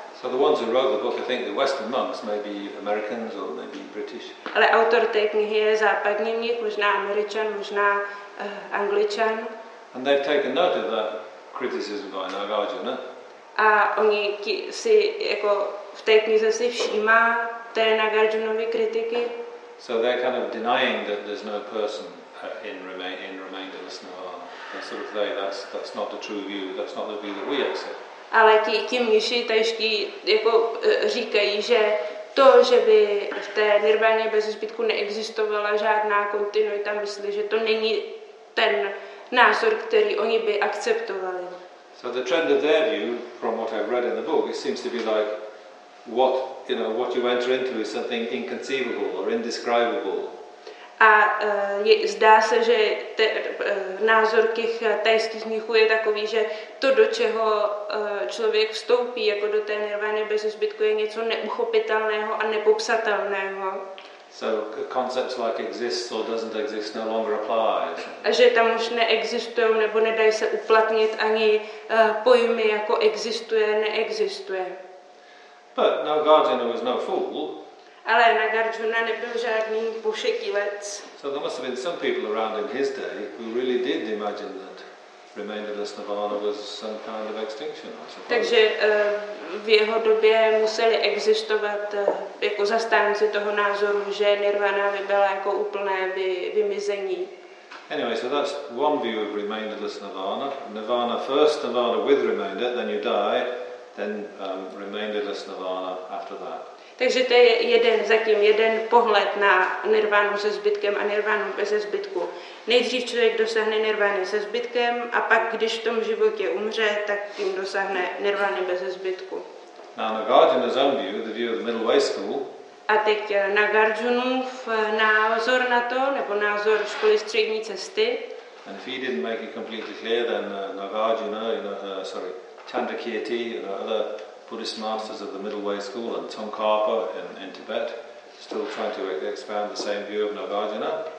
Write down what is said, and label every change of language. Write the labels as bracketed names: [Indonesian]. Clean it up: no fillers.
[English] So the ones who wrote the book, I think the Western monks, maybe Americans or maybe British. [Czech] Ale autor té knihy je západní mnich, možná Američan, možná Angličan. [English] And they've taken note of that criticism by Nagarjuna. [Czech] A oni si jako v té knize si všímá té Nagarjunovy kritiky. [English] So they're kind of denying that there's no person in remainderless nirvana. They sort of say that's not the true view, that's not the view that we accept. [Czech] Ale ti mniši tajští jako říkají, že to, že by v té nirváně bez zbytku neexistovala žádná kontinuita mysli, že to není ten názor, který oni by akceptovali. [English] So the trend of their view, from what I've read in the book, it seems to be like what you enter into is something inconceivable or indescribable. [Czech] A zdá se, že názor těch tajských mnichů je takový, že to, do čeho člověk vstoupí, jako do té nirvány bez zbytku, je něco neuchopitelného a nepopsatelného. [English] So concepts like exists or doesn't exist no longer apply. [Czech] A že tam už neexistují nebo nedají se uplatnit ani pojmy jako existuje, neexistuje. [English] But Nagarjuna was no fool. [Czech] Ale Nagarjuna nebyl žádný pošetilec. [English] So there must have been some people around in his day who really did imagine that remained in this nirvana was some kind of extinction, I suppose. [Czech] Takže v jeho době museli existovat jako zastánci toho názoru, že nirvana by byla jako úplné vymizení. [English] Anyway, so that's one view of remainderless nirvana. Nirvana first, nirvana with remainder, then you die, then remainderless nirvana after that. [Czech] Takže to je jeden pohled na nirvánu se zbytkem a nirvánu bez zbytku. Nejdřív člověk dosáhne nirvány se zbytkem a pak, když v tom životě umře, tak tím dosáhne nirvány bez zbytku. [English] Now, Nagarjuna's own view, the view of the middle way school, [Czech] a teď Nagarjunův názor na to, nebo názor školy střední cesty. [English] And if he didn't make it completely clear, then Nagarjuna, Chandrakirti, other Buddhist masters of the middle way school, and Tsongkhapa in Tibet, still trying to expand the same view of Nagarjuna.